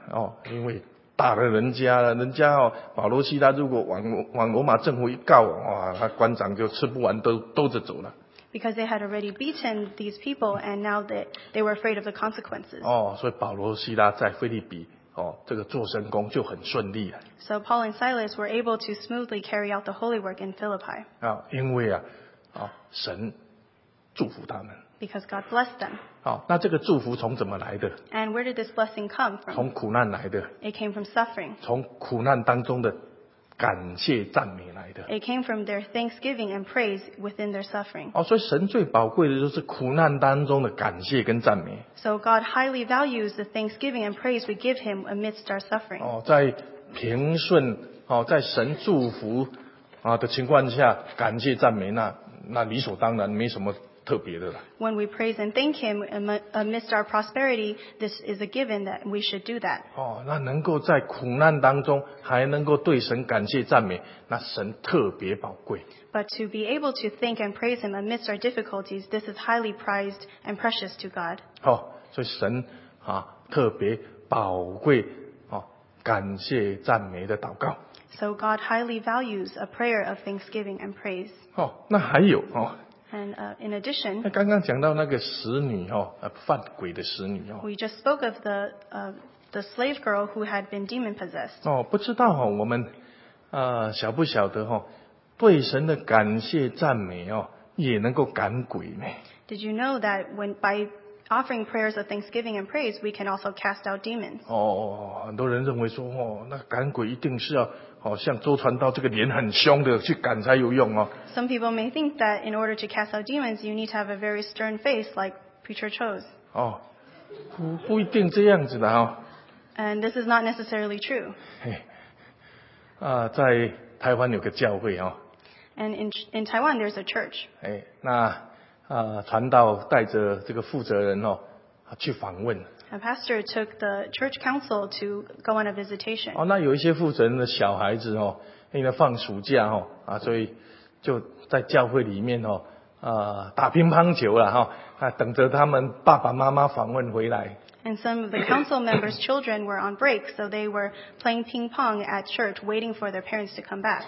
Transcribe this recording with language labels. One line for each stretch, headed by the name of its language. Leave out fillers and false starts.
Chinese: 哦，因为打了人家了，人家哦，保罗希拉如果往罗马政府一告，哇，他官长就吃不完兜着走了。
English: Because they had already beaten these people, and now that they were afraid of the consequences.
Chinese: 哦，所以保罗希拉在腓立比。哦，这个做神工就很顺利啊。
English: So Paul and Silas were able to smoothly carry out the holy work in Philippi.
Chinese: 啊，因为啊，啊，神祝福他们。
English: Because God blessed them.
Chinese: 好，那这个祝福从怎么来的
English: ？And where did this blessing come from?
Chinese: 从苦难来的。
English: It came from suffering.
Chinese: 从苦难当中的感谢赞美来的。
English: It came from their thanksgiving and praise within their suffering.
Chinese: 哦，所以神最宝贵的就是苦难当中的感谢跟赞美。
English: So God highly values the thanksgiving and praise we give Him amidst our suffering.
Chinese: 哦，在平顺，哦，在神祝福啊的情况下，感谢赞美那理所当然，没什么。特别的
English: When we praise and thank Him amidst our prosperity, this is a given that we should do that.
Chinese: 哦，那能够在苦难当中还能够对神感谢赞美，那神特别宝贵。
English: But to be able to thank and praise Him amidst our difficulties, this is highly prized and precious to God.
Chinese: 哦，所以神啊特别宝贵哦，感谢赞美的祷告。
English: So God highly values a prayer of thanksgiving and praise.
Chinese: 哦，那还有哦。
English: And in addition,
Chinese: 刚刚讲到那个使女哦，犯鬼的使女哦。
English: We just spoke of the slave girl who had been demon possessed.
Chinese: 哦，不知道哦，我们晓不晓得哦，对神的感谢赞美哦，也能够赶鬼呢
English: ？Did you know that when by offering prayers of thanksgiving and praise, we can also cast out demons?
Chinese: 哦，很多人认为说哦，那赶鬼一定是要。好像周传道这个脸很凶的去赶才有用哦。
English: Some people may think that in order to cast out demons, you need to have a very stern face like Preacher Cho's.
Chinese: 哦，不一定这样子的哦。
English: And this is not necessarily true.
Chinese: 在台湾有个教会哦。
English: And in Taiwan there's a church.
Chinese: 那传道带着这个负责人哦去访问。
English: A pastor took the church council to go on a visitation.
Chinese: 哦，那有一些负责人的小孩子哦，因为放暑假哦，啊，所以就在教会里面哦，打乒乓球了哈，啊，等着他们爸爸妈妈访问回来。
English: And some of the council members' children were on break, so they were playing ping pong at church, waiting for their parents to come back.